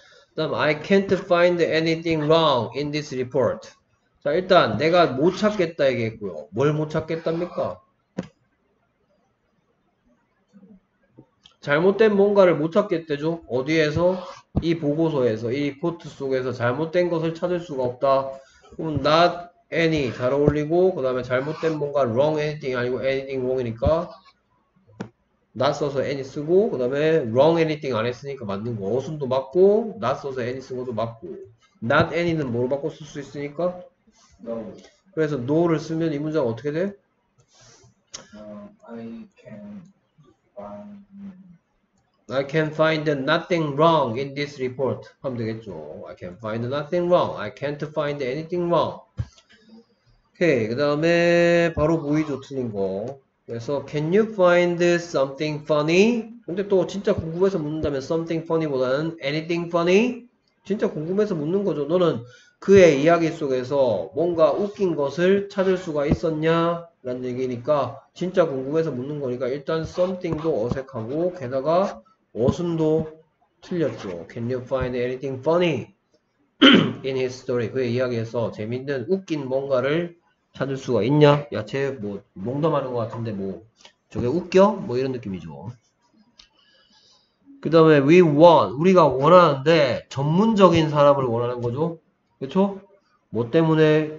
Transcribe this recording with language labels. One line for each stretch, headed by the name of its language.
Korean: 그다음,
English: I can't find anything wrong in this report.
Korean: 자, 일단 내가 못 찾겠다 얘기했고요. 뭘못 찾겠답니까? 잘못된 뭔가를 못 찾겠대죠. 어디에서? 이 보고서에서, 이 리포트 속에서 잘못된 것을 찾을 수가 없다. 그럼 not any 잘 어울리고, 그 다음에 잘못된 뭔가
English: wrong anything
Korean: 아니고
English: anything wrong
Korean: 이니까 not 써서 any 쓰고, 그 다음에 wrong anything 안 했으니까 맞는 거. 어순도 맞고, not 써서 any 쓴 것도 맞고. not any는 뭐로 바꿔 쓸수 있으니까?
English: No.
Korean: 그래서 no를 쓰면 이 문장 어떻게 돼?
English: I can find I can find nothing wrong in this report.
Korean: 하면 되겠죠.
English: I can find nothing wrong. I can't find anything wrong. 오케이.
Korean: 그 다음에, 바로 보이죠. 틀린 거. 그래서,
English: can you find something funny?
Korean: 근데 또, 진짜 궁금해서 묻는다면,
English: something funny
Korean: 보다는
English: anything funny?
Korean: 진짜 궁금해서 묻는 거죠. 너는 그의 이야기 속에서 뭔가 웃긴 것을 찾을 수가 있었냐? 라는 얘기니까, 진짜 궁금해서 묻는 거니까, 일단 something도 어색하고, 게다가, 어순도 틀렸죠.
English: Can you find anything funny in his story?
Korean: 그의 이야기에서 재밌는 웃긴 뭔가를 찾을 수가 있냐? 야, 쟤뭐 농담하는 것 같은데 뭐 저게 웃겨? 뭐 이런 느낌이죠. 그 다음에
English: we want
Korean: 우리가 원하는데 전문적인 사람을 원하는 거죠. 그렇죠? 뭐 때문에?